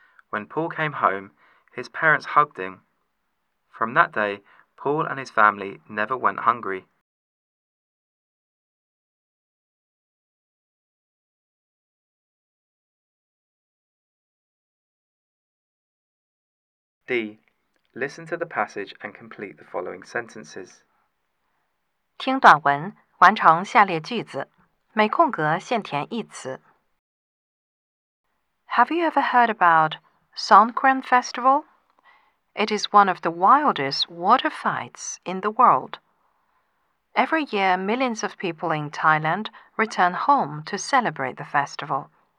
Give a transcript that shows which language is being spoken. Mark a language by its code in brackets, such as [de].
[en] When Paul came home, his parents hugged him. From that day, Paul and his family never went hungry. 5. Listen to the passage and complete the following sentences. [zh] 听短文，完成下列句子，每空格限填一词。 [en] Have you ever heard about Songkran Festival? It is one of the wildest water fights in the world. Every year, millions of people in Thailand return home to celebrate the festival.